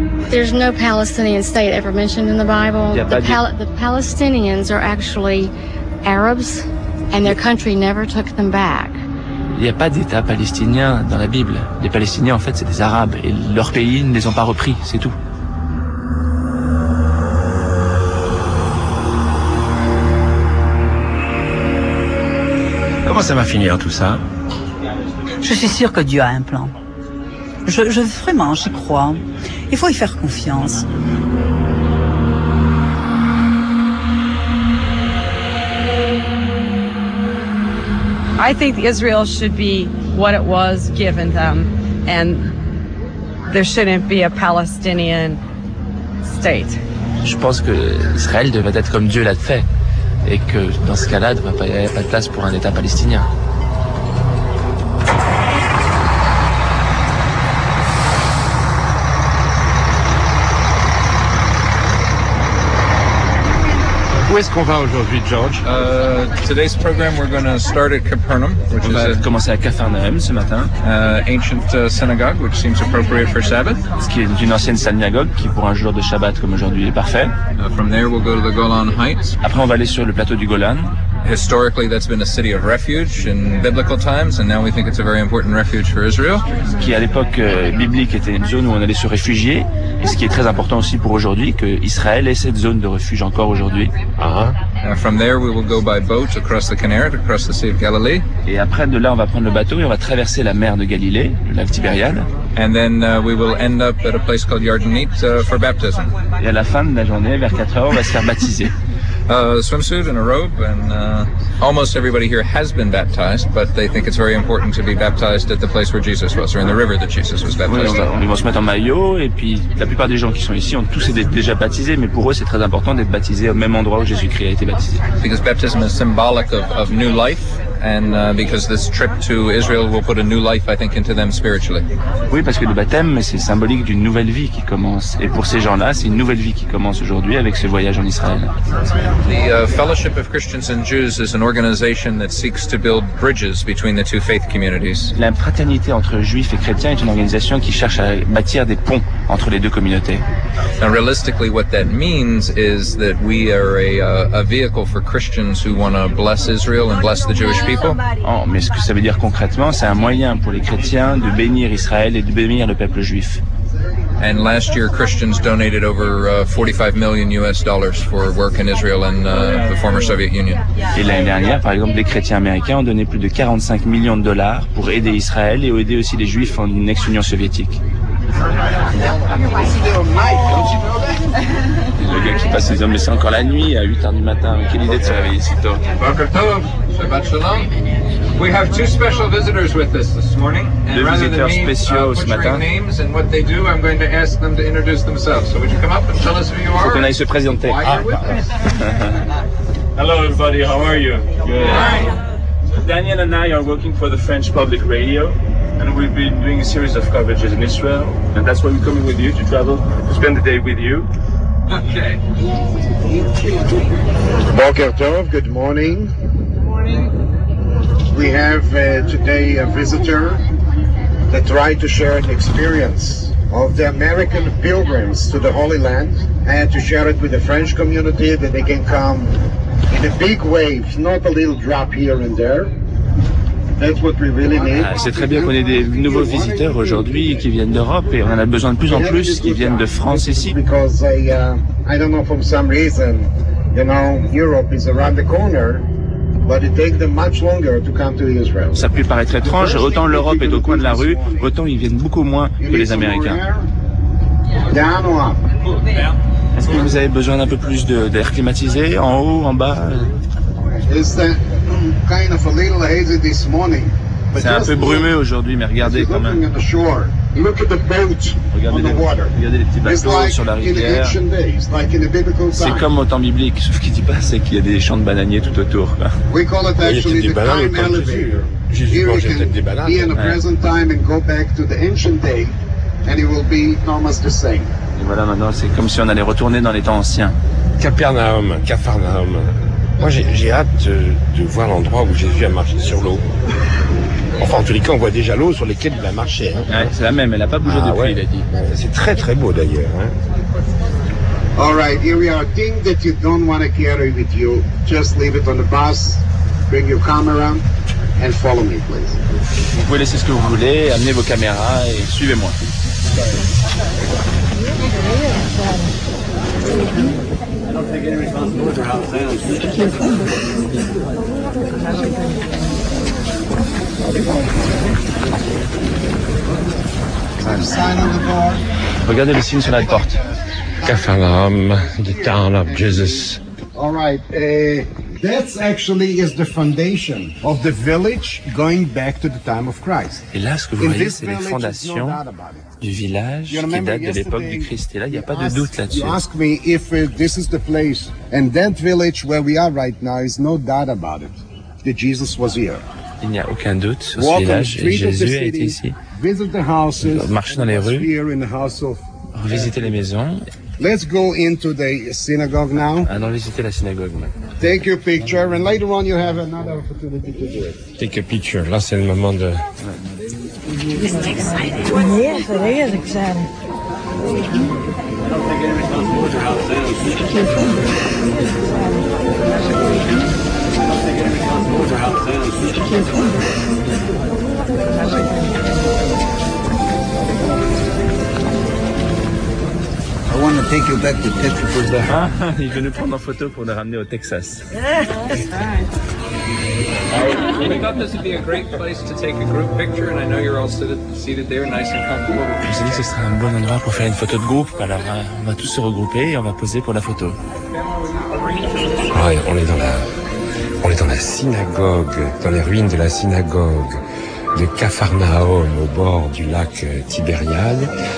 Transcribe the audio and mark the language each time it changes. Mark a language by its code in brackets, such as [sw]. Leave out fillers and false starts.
[en] There's no Palestinian state ever mentioned in the Bible. The Palestinians are actually Arabs, and their country never took them back. [fr] Il n'y a pas d'État palestinien dans la Bible. Les Palestiniens, en fait, c'est des Arabes, et leur pays ne les ont pas repris, c'est tout. Mmh. ça va finir tout ça? Je suis sûre que Dieu a un plan. Vraiment, j'y crois. Il faut y faire confiance. [en] I think Israel should be what it was given them, and there shouldn't be a Palestinian state. [fr] Je pense que Israël devrait être comme Dieu l'a fait, et que dans ce cas-là, il n'y aurait pas de place pour un État palestinien. Où est-ce qu'on va aujourd'hui, George? [en] Today's program, we're going to start at Capernaum. [fr] On va commencer à Capernaum ce matin. [en] Ancient synagogue, which seems appropriate for Sabbath. [fr] Ce qui est une ancienne synagogue qui, pour un jour de Shabbat comme aujourd'hui, est parfait. [en] From there, we'll go to the Golan Heights. [fr] Après, on va aller sur le plateau du Golan. [en] Historically, that's been a city of refuge in biblical times, and now we think it's a very important refuge for Israel. [fr] Qui à l'époque biblique était une zone où on allait se réfugier, et ce qui est très important aussi pour aujourd'hui, que Israël ait cette zone de refuge encore aujourd'hui. [en] From there, we will go by boat across the Kinneret, across the Sea of Galilee. [fr] Et après de là, on va prendre le bateau et on va traverser la mer de Galilée, le lac Tibériade. [en] And then we will end up at a place called Yardenit for baptism. [fr] Et à la fin de la journée, vers 4h, on va se faire baptiser. [en] Swimsuit and a robe, and almost everybody here has been baptized, but they think it's very important to be baptized at the place where Jesus was, or in the river that Jesus was baptized. [fr] Oui, ils vont se mettre en maillot, et puis la plupart des gens qui sont ici ont tous été déjà baptisés, mais pour eux c'est très important d'être baptisé au même endroit où Jésus-Christ a été baptisé. [en] Because baptism is symbolic of new life. And because this trip to Israel will put a new life, I think, into them spiritually. [fr] Oui, parce que le baptême, c'est symbolique d'une nouvelle vie qui commence. Et pour ces gens-là, c'est une nouvelle vie qui commence aujourd'hui avec ce voyage en Israël. [en] The Fellowship of Christians and Jews is an organization that seeks to build bridges between the two faith communities. [fr] La fraternité entre juifs et chrétiens est une organisation qui cherche à bâtir des ponts entre les deux communautés. [en] Now, realistically, what that means is that we are a vehicle for Christians who want to bless Israel and bless the Jewish. [fr] Oh, mais ce que ça veut dire concrètement, c'est un moyen pour les chrétiens de bénir Israël et de bénir le peuple juif. [en] And last year, Christians donated over $45 million for work in Israel and the former Soviet Union. [fr] Et l'année dernière, par exemple, les chrétiens américains ont donné plus de $45 million pour aider Israël et aider aussi les juifs en une ex-Union soviétique. Le gars qui passe les hommes, mais c'est encore la nuit à 8h du matin. Quelle idée de se réveiller si tôt. [en] We have two special visitors with us this morning. [fr] And deux visiteurs spéciaux ce matin. [en] Names and what they do, I'm going to ask them to introduce themselves. So would you come up and tell us who you are? [fr] Faut qu'on aille se présenter. [en] Hello everybody, how are you? Good. Hi. So Daniel and I are working for the French Public Radio, and we've been doing a series of coverages in Israel, and that's why we're coming with you to travel, to spend the day with you. Okay. [he] Boker Tov, [en] good morning. We have today a visitor that tried to share an experience of the American pilgrims to the Holy Land and to share it with the French community that they can come in a big wave, not a little drop here and there. That's what we really need. [fr] C'est très bien qu'on ait des nouveaux visiteurs aujourd'hui qui viennent d'Europe et on en a besoin de plus en plus qui viennent de France ici. [en] Because I don't know for some reason, you know, Europe is around the corner. But it takes them much longer to come to Israel. [fr] Ça peut paraître étrange, autant l'Europe est au coin de la rue, autant ils viennent beaucoup moins que les Américains. [en] Down or up? [fr] Est-ce que vous avez besoin d'un peu plus d'air climatisé, en haut, en bas? C'est un peu brumeux aujourd'hui, mais regardez quand même. [en] Look at the boat [fr] regardez les petits bateaux [en] like [fr] sur la rivière. [en] Like [fr] c'est comme au temps biblique, sauf qu'il ne dit pas c'est qu'il y a des champs de bananiers tout autour. [en] We call it actually the time elevator. [fr] Jésus mangeait peut-être des bananes. [en] Here you can be in the present time and go back to the ancient day, and it will be almost the same. [fr] Et voilà, maintenant c'est comme si on allait retourner dans les temps anciens. Capernaum. Moi, j'ai hâte de voir l'endroit où Jésus a marché sur l'eau. Enfin, en tous les cas, on voit déjà l'eau sur lesquelles il a marché. Hein. Ouais, c'est la même, elle n'a pas bougé depuis, ouais. Il a dit. C'est très, très beau, d'ailleurs. [en] All right, here we are. Things that you don't want to carry with you, just leave it on the bus, bring your camera, and follow me, please. [fr] Vous pouvez laisser ce que vous voulez, amenez vos caméras et suivez-moi. [en] Thank you. [fr] Regardez le signe sur la porte. [en] Capernaum, the town of Jesus. All right, that actually is the foundation of the village going back to the time of Christ. [fr] Et là, ce que vous voyez, c'est les fondations du village qui date de l'époque du Christ. Et là, il n'y a pas de doute là-dessus. [en] You ask me if this is the place, and that village where we are right now is no doubt about it. That Jesus was here. [fr] Il n'y a aucun doute sur ce village et Jésus a été ici. [en] Visit the houses. [fr] Marcher dans les rues. [en] Here in the house of. [fr] Visiter les maisons. [en] Let's go into the synagogue now. [fr] Allons visiter la synagogue maintenant. [en] Take your picture, and later on you have another opportunity to do it. Take a picture. [fr] Là, c'est le moment de. [en] I want to take you back to Texas for the. [fr] Il veut nous prendre en photo pour nous ramener au Texas. [en] We thought this would be a great place to take a group picture, and I know you're all seated there, nice and comfortable. [fr] Je me suis dit que ce serait un bon endroit pour faire une photo de groupe. Alors, on va tous se regrouper et on va poser pour la photo. Ouais, on est dans la. On est dans la synagogue, dans les ruines de la synagogue de Capharnaüm au bord du lac Tibériade.